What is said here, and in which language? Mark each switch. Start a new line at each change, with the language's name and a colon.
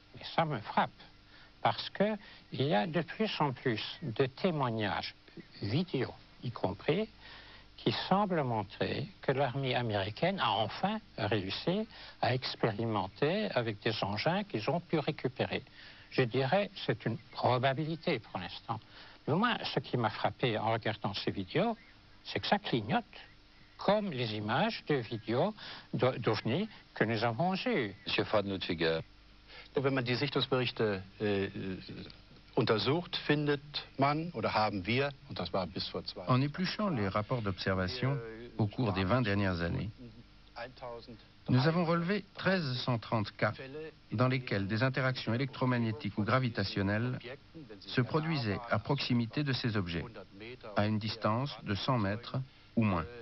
French: Et ça me frappe, parce qu'il y a de plus en plus de témoignages, vidéo y compris, qui semblent montrer que l'armée américaine a enfin réussi à expérimenter avec des engins qu'ils ont pu récupérer. Je dirais, c'est une probabilité pour l'instant. Mais moi, ce qui m'a frappé en regardant ces vidéos, c'est que ça clignote. Comme les images de vidéos d'OVNI que nous avons eues. Monsieur Fadenutziger.
German: Wenn man die Sichtungsberichte untersucht, findet man oder haben wir, und das war bis vor zwei.
French: En épluchant les rapports d'observation au cours des 20 dernières années, nous avons relevé 1330 cas dans lesquels des interactions électromagnétiques ou gravitationnelles se produisaient à proximité de ces objets, à une distance de 100 mètres ou moins.